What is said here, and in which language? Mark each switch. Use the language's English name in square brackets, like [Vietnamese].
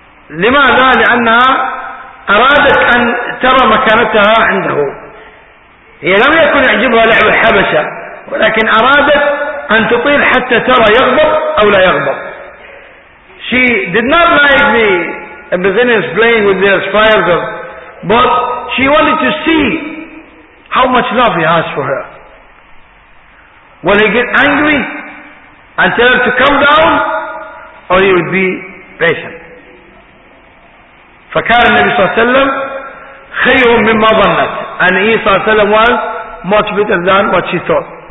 [Arabic] لماذا؟ لأنها أرادت أن ترى مكانتها عنده. هي لم يكن يعجبها لعب الحبشة ولكن أرادت أن تطيل حتى ترى يغضب أو لا يغضب. [English] She did not like the Abyssinians playing with their spires, but she wanted to see how much love he has for her. Will he get angry and tell her to come down, or he would be patient? [Arabic] فكان النبي صلى الله عليه وسلم خير مما ظنت. [English] And he صلى الله عليه وسلم was much better than what she thought.